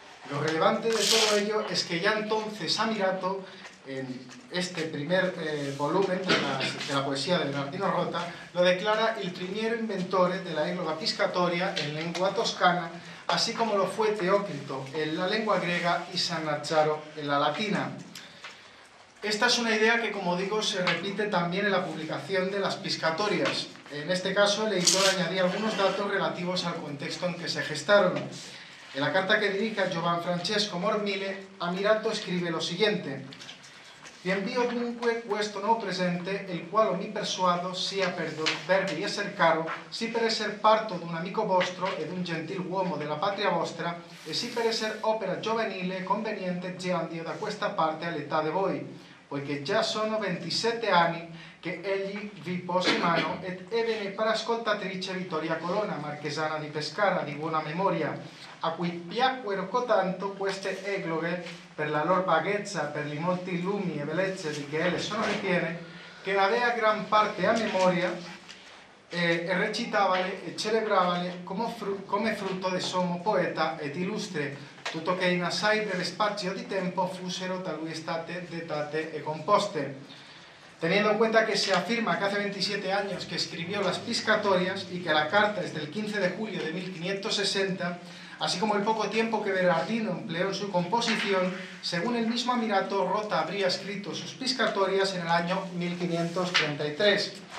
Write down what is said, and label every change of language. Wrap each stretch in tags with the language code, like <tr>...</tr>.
<es>Lo relevante de todo ello es que ya entonces Amirato, en este primer volumen de la poesía de Bernardino Rota, lo declara el primer inventor de la Eclosa Piscatoria en lengua toscana, así como lo fue Teócrito en la lengua griega y San Lázaro en la latina. Esta es una idea que, como digo, se repite también en la publicación de las piscatorias. En este caso, el editor añadía algunos datos relativos al contexto en que se gestaron. En la carta que dirige a Giovan Francesco Mormile, Amirato escribe lo siguiente:</es> <it>«Vi envío dunque questo nuovo presente, il quale mi persuado sia per dovervi esser caro, si per esser parto d'un amico vostro e d'un gentil uomo della patria vostra, e si per esser opera giovanile conveniente giandio da questa parte all'età de voi, poiché già sono 27 anni che egli vi posi mano ed ebbene per ascoltatrice Vittoria Colonna, marchesana di Pescara, di buona memoria». A cui piacquero cotanto queste egloghe per la lor vaghezza, per li molti lumi e bellezze di che elle sono ripiene, che l'avea gran parte a memoria e recitavale e celebravale come frutto de sommo poeta ed illustre, tutto che in assai del spazio di tempo fussero da lui state dettate e composte.</it> <es>Teniendo en cuenta que se afirma que hace 27 años que escribió las piscatorias y que la carta es del 15 de julio de 1560, así como el poco tiempo que Berardino empleó en su composición, según el mismo Amirato, Rota habría escrito sus piscatorias en el año 1533.</es>